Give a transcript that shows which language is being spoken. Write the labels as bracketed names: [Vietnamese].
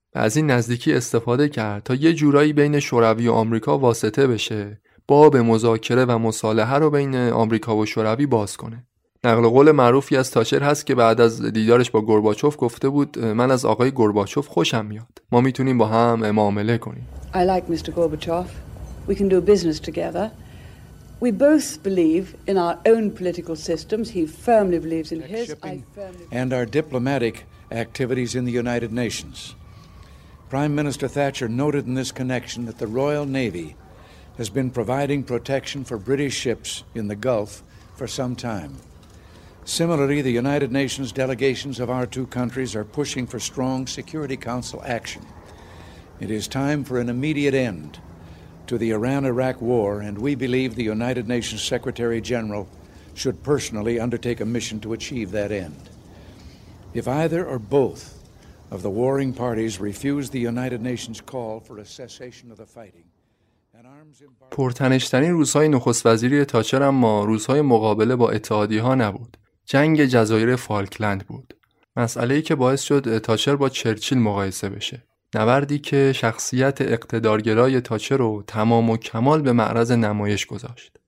[Persian] و از این نزدیکی استفاده کرد تا یه جورایی بین شوروی و آمریکا واسطه بشه، باب مذاکره و مصالحه رو بین آمریکا و شوروی باز کنه. نقل قول معروفی از تاچر هست که بعد از دیدارش با گورباچوف گفته بود من از آقای گورباچوف خوشم میاد. ما میتونیم با هم معامله کنیم. [English] I like Mr. Gorbachev. We can do business together. We both believe in our own political systems. He firmly believes in his. And our diplomatic activities in the United Nations. Prime Minister Thatcher noted in this connection that the Royal Navy has been providing protection for British ships in the Gulf for some time. Similarly, the United Nations delegations of our two countries are pushing for strong Security Council action. It is time for an immediate end to the Iran-Iraq war, and we believe the United Nations Secretary General should personally undertake a mission to achieve that end. If either or both of the warring parties refuse the United Nations call for a cessation of the fighting, [Persian] پرتنشترین روزهای نخست وزیری تاچر اما روزهای مقابله با اتحادیه‌ها نبود. جنگ جزایر فالکلند بود. مسئله‌ای که باعث شد تاچر با چرچیل مقایسه بشه. نبردی که شخصیت اقتدارگرای تاچر رو تمام و کمال به معرض نمایش گذاشت.